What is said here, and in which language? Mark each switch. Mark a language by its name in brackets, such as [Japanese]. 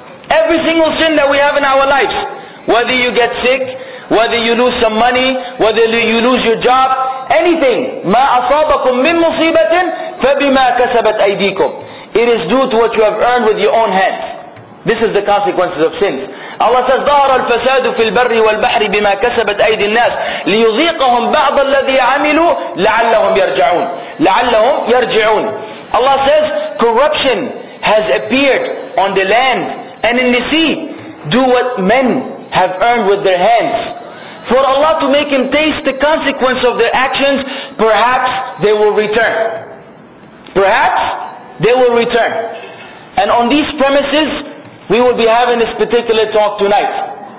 [English] Every single sin that we have in our lives, whether you get sick, whether you lose some money, whether you lose your job, anything. [Arabic] مَا أَصَابَكُم مِّن مُصِيبَةٍ فَبِمَا كَسَبَتْ أَيْدِيكُمْ [English] It is due to what you have earned with your own hands. This is the consequences of sins. Allah says, [Arabic] ظَهَرَ الْفَسَادُ فِي الْبَرِّ وَالْبَحْرِ بِمَا كَسَبَتْ أَيْدِي النَّاسِ لِيُذِيقَهُمْ بَعْضَ الَّذِي عَمِلُوا لَعَلَّهُمْ يَرْجَعُونَ لَعَلَّهُمْ يَرْجِعُونَ [English] Allah says, corruption has appeared on the land and in the sea. Do what men have earned with their hands. For Allah to make him taste the consequence of their actions, perhaps they will return. Perhaps they will return. And on these premises, we will be having this particular talk tonight.